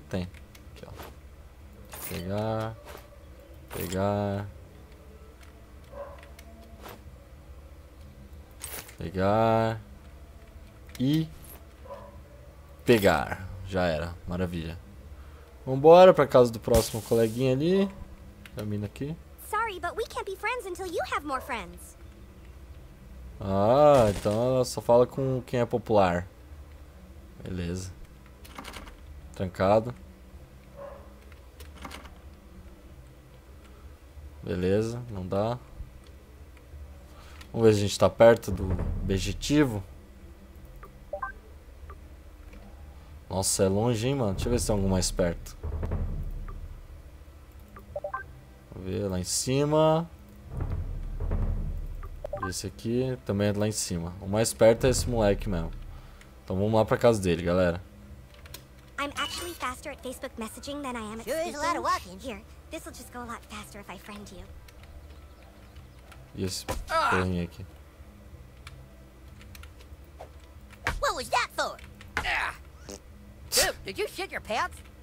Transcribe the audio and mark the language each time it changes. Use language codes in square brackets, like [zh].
[pt] Tem. Aqui, ó. Pegar. Pegar. Pegar. E... pegar. Já era. Maravilha. Vambora pra casa do próximo coleguinha ali. A mina aqui. [en] Sorry, but we can't be friends until you have more friends. [pt] Ah, então ela só fala com quem é popular. Beleza. Trancado. Beleza, não dá. Vamos ver se a gente tá perto do objetivo. Nossa, é longe, hein, mano. Deixa eu ver se tem algum mais perto. Vamos ver lá em cima. Esse aqui também é lá em cima. O mais perto é esse moleque mesmo. Então vamos lá pra casa dele, galera. [en] I'm actually faster at Facebook messaging than I am at school. There's a lot of walking here. This will just go a lot faster if I friend you. [pt] E esse porrinho aqui. [en] What was that for? Dude, did you shit your pants?